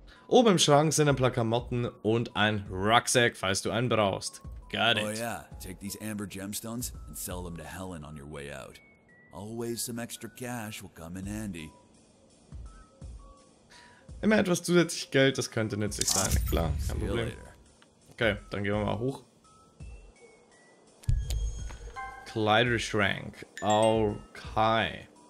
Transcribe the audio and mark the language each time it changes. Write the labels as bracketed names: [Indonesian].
[German] Oben im Schrank sind ein paar Klamotten und ein Rucksack, falls du einen brauchst. [English] Got it. Oh yeah, take these amber gemstones and sell them to Helen on your way out. Always some extra cash will come in handy. [German] Immer etwas zusätzlich Geld, das könnte nützlich sein. Klar, kein Problem. Okay, dann gehen wir mal hoch. Kleiderschrank. Okay.